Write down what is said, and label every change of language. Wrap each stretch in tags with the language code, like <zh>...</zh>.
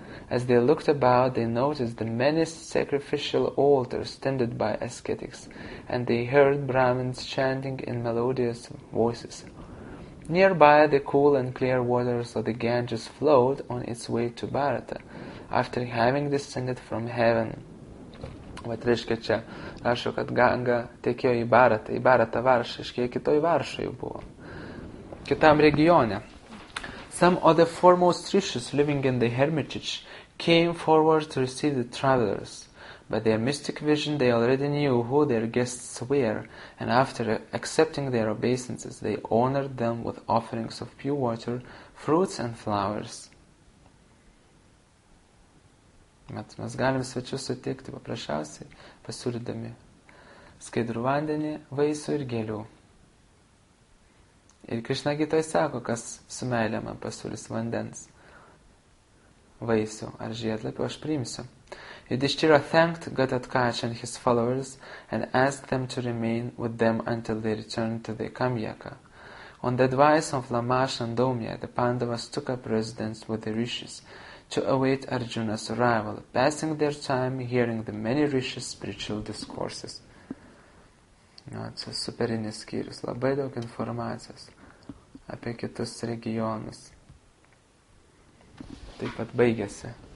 <en>As they looked about, they noticed the many sacrificial altars tended by ascetics, and they heard Brahmins chanting in melodious voices. Nearby, the cool and clear waters of the Ganges flowed on its way to Bharata, after having descended from heaven.</en> <lt>Vat reiškia čia, rašo, kad Ganga tekėjo į Bharatą, į Bharatą Varšą, iškiai kitoj Varšoj buvo, kitam regione.</lt> <en>Some of the foremost rishis living in the hermitage came forward to receive the travelers. By their mystic vision, they already knew who their guests were, and after accepting their obeisances, they honored them with offerings of pure water, fruits and flowers.</en> <lt>Mes galim svečius sutikti paprasčiausiai, pasiūlydami skaidrų vandenį, vaisių ir gėlių. Ir Krišna Gitoj sako, kas su meilė man pasiūlys vandens, vaisių ar žiedlapių, aš priimsiu.</lt> <en>Yudhishthira thanked Gatatkacha and his followers and asked them to remain with them until they returned to the Kamyaka. On the advice of Lamasha and Dhaumya, the Pandavas took up residence with the rishis to await Arjuna's arrival, passing their time hearing the many rishis' spiritual discourses.</en> <lt>Na, čia superinis skyrius, labai daug informacijos apie kitus regionus. Taip pat baigėsi.</lt>